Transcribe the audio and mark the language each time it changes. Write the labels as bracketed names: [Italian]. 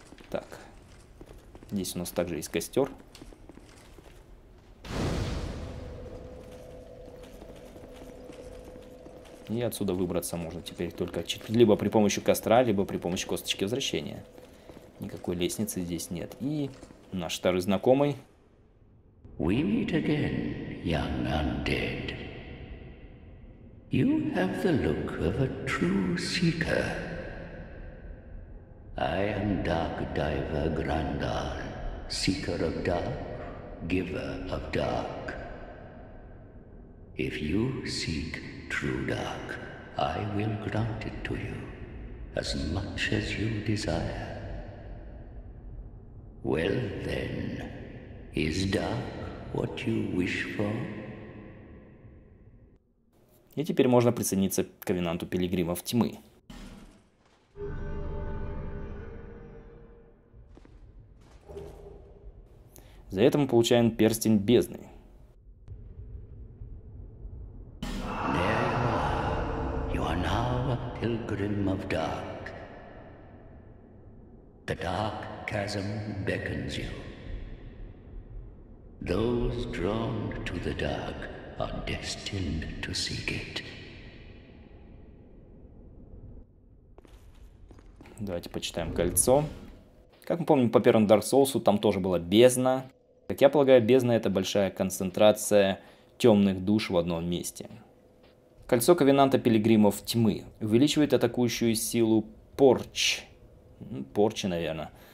[Russian] Так, здесь у нас также есть костер. И отсюда выбраться можно теперь только либо при помощи костра, либо при помощи косточки возвращения. Никакой лестницы здесь нет. И наш старый знакомый. [English] We meet again, young undead. You have the look of a true seeker. I am Dark Diver Grandal, seeker of dark, giver of dark. If you seek true dark, I will grant it to you, as much as you desire. Well then, is dark what you wish for? [Russian] И теперь можно присоединиться к ковенанту пилигримов тьмы. За это мы получаем перстень бездны. [English] There you are now a pilgrim of dark. The dark chasm beckons you. Those drawn to the dark are destined to seek it. [Russian] Давайте почитаем кольцо. Как мы помним по первому Dark Souls, там тоже была бездна. Как я полагаю, бездна — это большая концентрация темных душ в одном месте. Кольцо ковенанта пилигримов тьмы увеличивает атакующую силу порч. Порчи, наверное.